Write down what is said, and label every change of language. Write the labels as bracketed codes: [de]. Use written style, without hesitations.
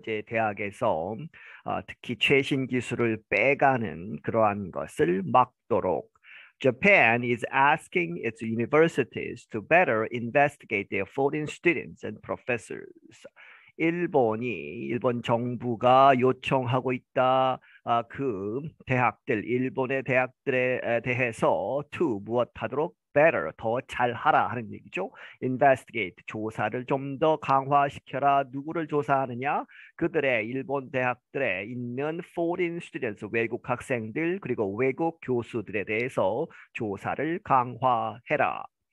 [ko] 이제 대학에서 특히 최신 기술을 빼가는 그러한 것을 막도록. [en] Japan is asking its universities to better investigate their foreign students and professors. [ko] 일본 정부가 요청하고 있다. 그 대학들, 일본의 대학들에 대해서 to 무엇하도록 better, 더 잘하라 하는 얘기죠. Investigate, 조사를 좀 더 강화시켜라. 누구를 조사하느냐? 그들의 일본 대학들에 있는 [en] foreign students, [ko] 외국 학생들, 그리고 외국 교수들에 대해서 조사를 강화해라.